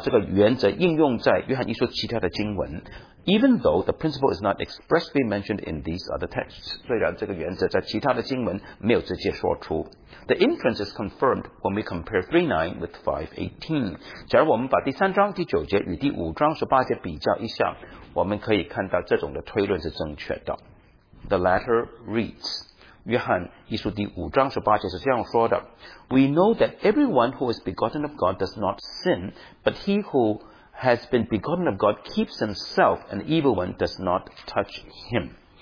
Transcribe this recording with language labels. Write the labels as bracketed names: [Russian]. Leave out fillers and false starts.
[Chinese] 我们也要把这个原则应用在约翰一书其他的经文。 [English] Even though the principle is not expressly mentioned in these other texts, [Chinese] 虽然这个原则在其他的经文没有直接说出, [English] the inference is confirmed when we compare 3:9 with 5:18. [Chinese] 假如我们把第三章第九节与第五章十八节比较一下, 我们可以看到这种的推论是正确的. [English] The latter reads, [Chinese] 约翰一书第五章十八节是这样说的, [English] we know that everyone who is begotten of God does not sin, but he who has been begotten of God keeps himself, and the evil one does not touch him.